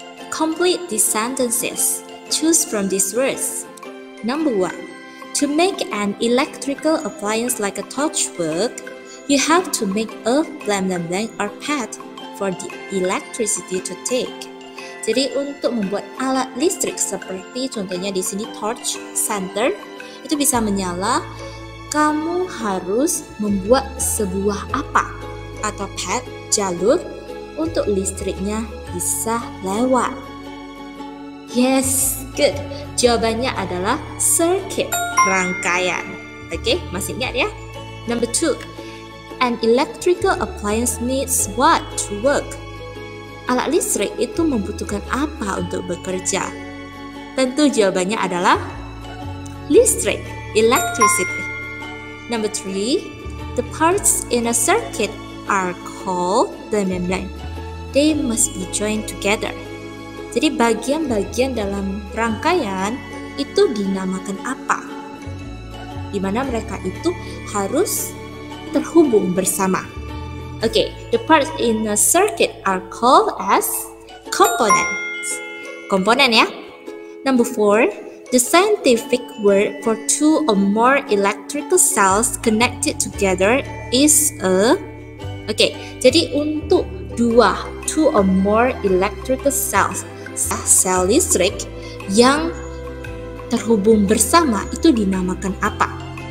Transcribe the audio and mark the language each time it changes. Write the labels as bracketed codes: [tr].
[en] Complete these sentences. Choose from these words. Number 1. To make an electrical appliance like a torch work, you have to make a blank blank blank or pad for the electricity to take. [id] Jadi untuk membuat alat listrik seperti contohnya di sini torch center itu bisa menyala, kamu harus membuat sebuah apa atau pad, jalur untuk listriknya bisa lewat. [en] Yes, good. [id] Jawabannya adalah circuit, rangkaian. Okay, masih ingat ya? [en] Number 2. An electrical appliance needs what to work? [id] Alat listrik itu membutuhkan apa untuk bekerja? Tentu jawabannya adalah listrik, electricity. [en] Number 3. The parts in a circuit are called the membrane. They must be joined together. [id] Jadi bagian-bagian dalam rangkaian itu dinamakan apa? Di mana mereka itu harus terhubung bersama. [en] Oke, the parts in a circuit are called as components. [id] Komponen ya. [en] Number 4, the scientific word for two or more electrical cells connected together is a. [id] Oke, jadi untuk dua, [en] two or more electrical cells, [id] sel listrik yang terhubung bersama itu dinamakan apa?